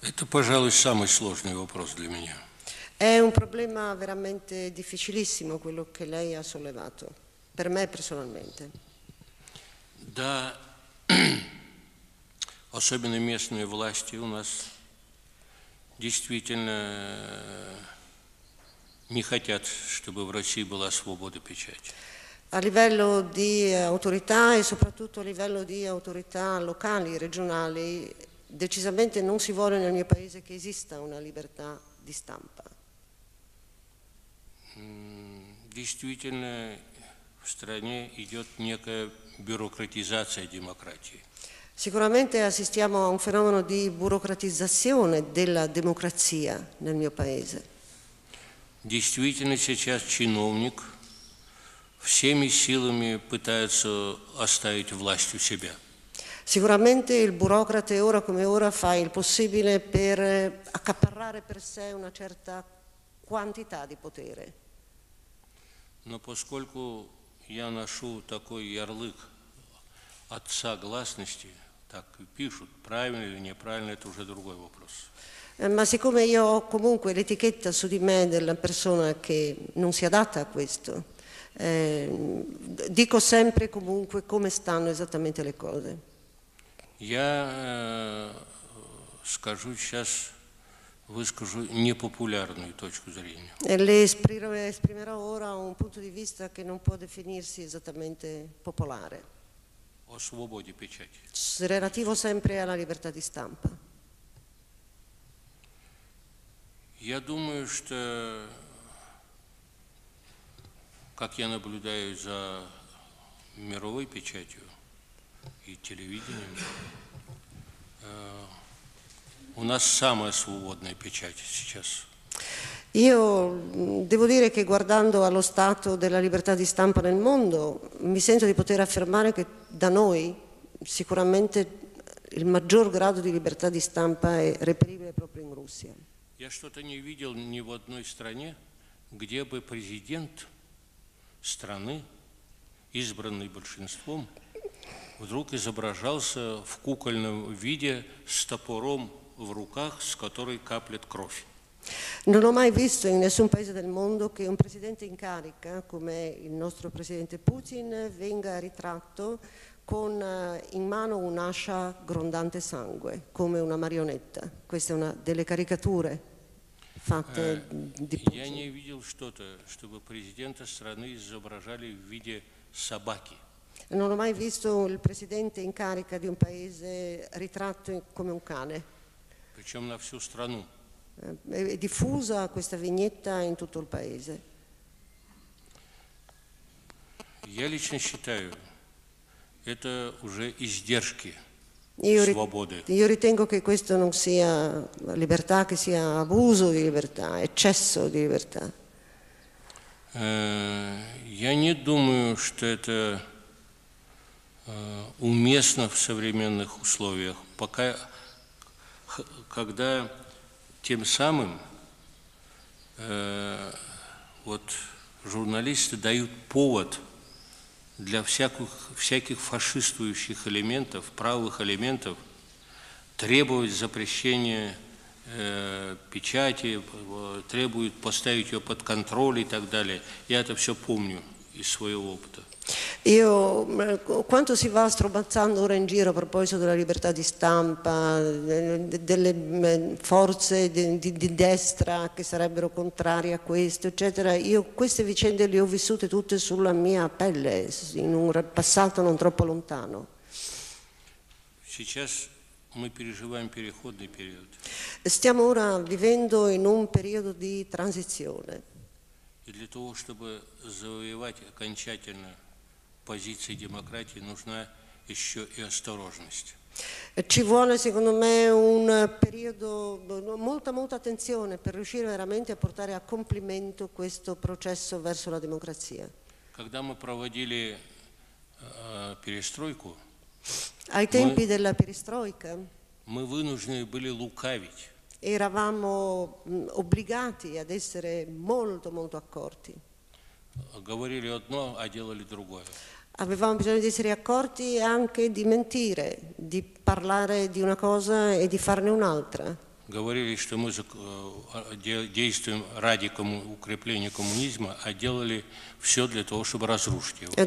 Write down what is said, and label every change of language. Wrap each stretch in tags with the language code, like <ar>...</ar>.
<ru>Пожалуй, самый сложный вопрос для меня.</ru> <it>È un problema veramente difficilissimo quello che lei ha sollevato, per me personalmente.</it> <ru>Да, особенно местные власти у нас действительно не хотят, чтобы в России была свобода печати.</ru> <it>A livello di autorità e soprattutto a livello di autorità locali, regionali, decisamente non si vuole nel mio paese che esista una libertà di stampa.</it> <ru>Действительно, в стране идет некая бюрократизация демократии.</ru> <it>Sicuramente assistiamo a un fenomeno di burocratizzazione della democrazia nel mio paese.</it> <ru>Действительно, сейчас чиновник всеми силами пытается оставить власть у себя.</ru> <it>Sicuramente il burocrate ora come ora fa il possibile per accaparrare per sé una certa quantità di potere.</it> <ru>Но поскольку я ношу такой ярлык отца гласности, так и пишут, правильно или неправильно, это уже другой вопрос.</ru> <it>Ma siccome io ho comunque l'etichetta su di me della persona che non si adatta a questo, Dico sempre comunque come stanno esattamente le cose.</it> <ru>Я скажу сейчас, выскажу непопулярную точку зрения.</ru> <it>Le esprimerò ora un punto di vista che non può definirsi esattamente popolare.</it> <ru>О свободе печати.</ru> <it>Relativo sempre alla libertà di stampa.</it> <ru>Я думаю, что как я наблюдаю за мировой печатью и телевидением, у нас самая свободная печать сейчас.</ru> <it>Io devo dire che guardando allo stato della libertà di stampa nel mondo, mi sento di poter affermare che da noi sicuramente il maggior grado di libertà di stampa è reperibile proprio in Russia.</it> <ru>Я что-то не видел ни в одной стране, где бы президент страны, избранный большинством, вдруг изображался в кукольном виде с топором в руках, с которой каплет кровь.</ru> <it>Non ho mai visto in nessun paese del mondo che un presidente in carica, come il nostro presidente Putin, venga ritratto con in mano un'ascia grondante sangue, come una marionetta. Questa è una delle caricature.</it> <ru>Я не видел что-то, чтобы президента страны изображали в виде собаки.</ru> <it>Non ho mai visto il presidente in carica di un paese ritratto come un cane.</it> <ru>Причем на всю страну.</ru> <it>È diffusa questa vignetta in tutto il paese.</it> <ru>Я лично считаю, это уже издержки.</ru> <it>Io ritengo che questo non sia libertà, che sia abuso di libertà, eccesso di libertà.</it> <ru>Я не думаю, что это уместно в современных условиях, пока когда тем самым вот журналисты дают повод для всяких фашистующих элементов, правых элементов, требовать запрещения печати, требуют поставить ее под контроль и так далее. Я это все помню из своего опыта.</ru> <it>Io quanto si va strombazzando ora in giro a proposito della libertà di stampa, delle forze di destra che sarebbero contrarie a questo, eccetera, io queste vicende le ho vissute tutte sulla mia pelle, in un passato non troppo lontano. Stiamo ora vivendo in un periodo di transizione. E per</it> <ru>завоевать окончательно позиции демократии нужна еще и осторожность.</ru> <it>Ci vuole secondo me un periodo molta attenzione per riuscire veramente a portare a compimento questo processo verso la democrazia.</it> <ru>Когда мы проводили перестройку,</ru> <it>ai tempi della perestroika,</it> <ru>мы вынуждены были лукавить.</ru> <it>Eravamo obbligati ad essere molto accorti.</it> <ru>Говорили одно, а делали другое.</ru> <it>Avevamo bisogno di essere accorti e anche di mentire, di parlare di una cosa e di farne un'altra.</it> <ru>Говорили, что мы действуем ради укрепления коммунизма, а делали все для того, чтобы разрушить его.</ru>